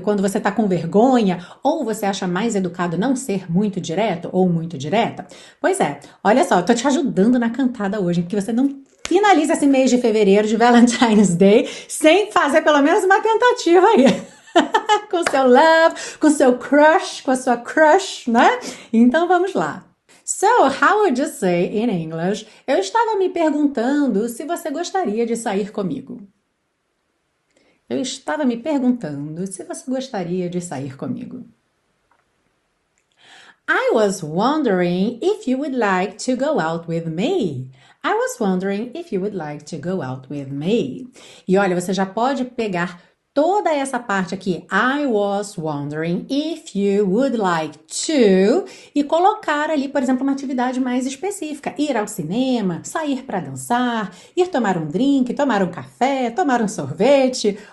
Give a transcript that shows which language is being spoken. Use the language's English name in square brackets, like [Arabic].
[Portuguese] Quando você está com vergonha ou você acha mais educado não ser muito direto ou muito direta. Pois é, olha só, eu estou te ajudando na cantada hoje, que você não finaliza esse mês de fevereiro de Valentine's Day sem fazer pelo menos uma tentativa aí. Com seu love, com seu crush, com a sua crush, né? Então vamos lá. [English] So, how would you say in English? [Portuguese] Eu estava me perguntando se você gostaria de sair comigo. Eu estava me perguntando se você gostaria de sair comigo. [English] I was wondering if you would like to go out with me. I was wondering if you would like to go out with me. [Portuguese] E olha, você já pode pegar toda essa parte aqui, [English] I was wondering if you would like to, [Portuguese] e colocar ali, por exemplo, uma atividade mais específica, ir ao cinema, sair para dançar, ir tomar um drink, tomar um café, tomar um sorvete.